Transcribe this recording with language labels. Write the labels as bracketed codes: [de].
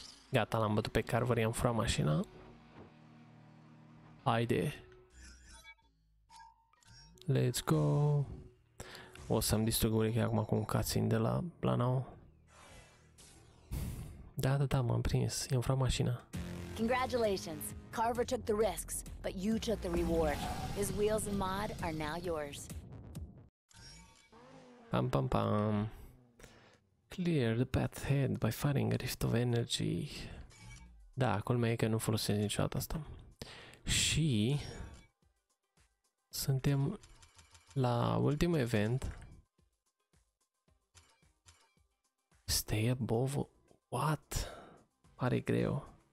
[ro] Gata, l-am bătut pe Carver, i-am furat mașina. Haide. [en] Let's go. [ro] O să-mi distrug urechea acum cu un cutscene de la Planau. Da, m-am prins, i-am furat mașina. [en] Congratulations. Carver took the risks, but you took the reward. His wheels and mod are now yours. Pam pam pam. Clear the path ahead by firing a rift of energy. [ro] Da, culmea e că nu folosesc niciodată asta. Și suntem la ultimul event. [en] Stay above. What? [ro] Pare greu.